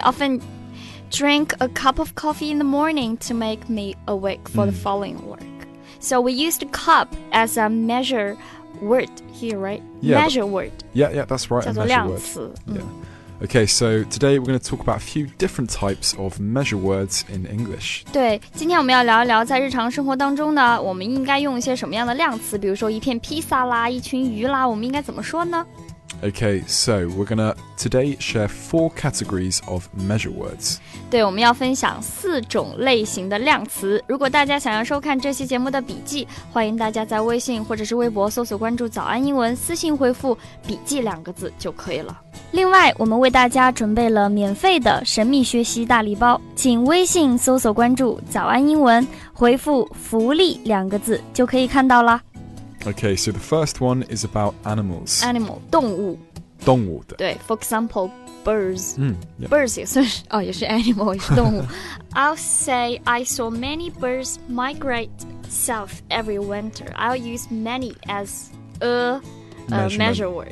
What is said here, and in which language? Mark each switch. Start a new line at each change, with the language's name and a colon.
English: often drink a cup of coffee in the morning to make me awake for the following work. So we used a cup as a measure word here, right? Yeah, measure word. Yeah, yeah, that's right.
Chinese: 叫做量词
English: Okay, so today we're going to talk about a few different types of measure words in English.
Chinese: 对，今天我们要聊一聊在日常生活当中呢，我们应该用一些什么样的量词，比如说一片披萨啦，一群鱼啦，我们应该怎么说呢？
English: Okay, so we're going to today share four categories of measure words.
Chinese: 对，我们要分享四种类型的量词。如果大家想要收看这期节目的笔记，欢迎大家在微信或者是微博搜索关注早安英文，私信回复笔记两个字就可以了。另外，我们为大家准备了免费的神秘学习大礼包，请微信搜索关注早安英文，回复福利两个字就可以看到了。
English: Okay, so the first one is about animals.
Chinese: Animal, 动物。动物的。
English: 对 ,for example, birds.、 Yeah. Birds 也算是，哦，也是 animal, 也是动物。 I'll say I saw many birds migrate south every winter. I'll use many as a... measure word.